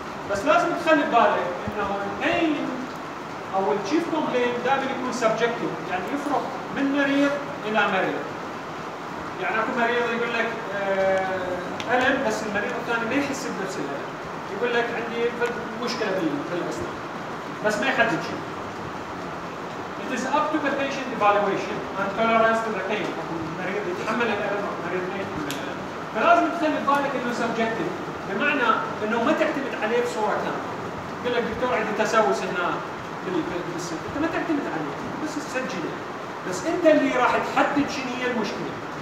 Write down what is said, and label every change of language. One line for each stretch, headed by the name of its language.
Arabic: بس لازم تخلي ببالك انه pain او الشيف كومبلين دائما يكون سبجكتيف يعني يفرق من مريض الى مريض. يعني اكو مريض يقول لك الم بس المريض الثاني ما يحس بنفس الالم يقول لك عندي مشكله في الاسنان بس ما يحدد شيء.
English: It is up to the patient evaluation and tolerance to the pain.
Arabic: المريض يتحمل الالم المريض ما يتحمل الالم. فلازم تخلي بالك انه سبجكتيف بمعنى انه ما تعتمد عليه بصوره كامله. يقول لك دكتور عندي تسوس هنا بالسن انت ما تعتمد عليه بس تسجله بس انت اللي راح تحدد شنو هي المشكله.